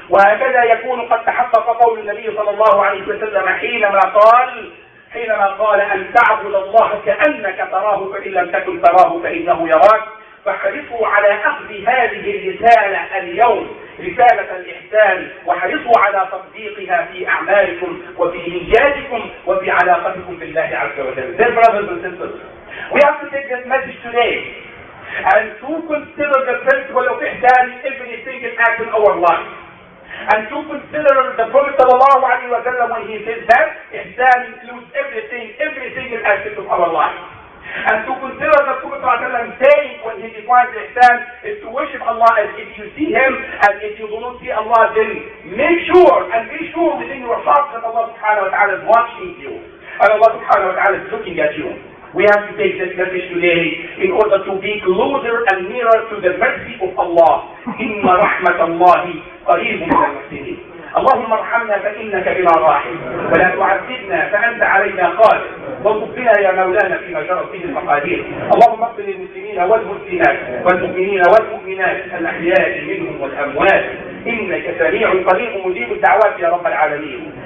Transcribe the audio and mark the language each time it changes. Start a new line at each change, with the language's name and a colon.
Arabic: وهكذا يكون قد تحقق قول النبي صلى الله عليه وسلم حينما قال: أن تعبد الله كأنك تراه فإن لم تكن تراه فإنه يراك. فحرصوا على أخذ هذه الرسالة اليوم، رسالة الإحسان، وحرصوا على تطبيقها في أعمالكم وفي نياتكم وفي علاقتكم بالله عز وجل.
English: Dear brothers and sisters, we have to take this message today and to consider the principle of إحسان in every single act in our life. And to consider the Prophet صلى الله عليه وسلم when he said that إحسان includes everything, every figure aspects of our life. And to consider the Prophet ﷺ saying when he defines Ihsan is to worship Allah as if you see Him, and if you do not see Allah, then make sure and be sure within your heart that Allah subhanahu wa ta'ala is watching you and Allah subhanahu wa ta'ala is looking at you. We have to take this message today in order to be closer and nearer to the mercy of Allah.
Arabic: Inna rahmatallahi qareebun min al-muhsinin. اللهم ارحمنا فإنك بنا راحم ولا تعذبنا فأنت علينا قادر وكفنا يا مولانا فيما جرى فيه المقادير. اللهم اغفر للمسلمين والمسلمات والمؤمنين والمؤمنات الأحياء منهم والأموات إنك سميع قريب مجيب الدعوات يا رب العالمين.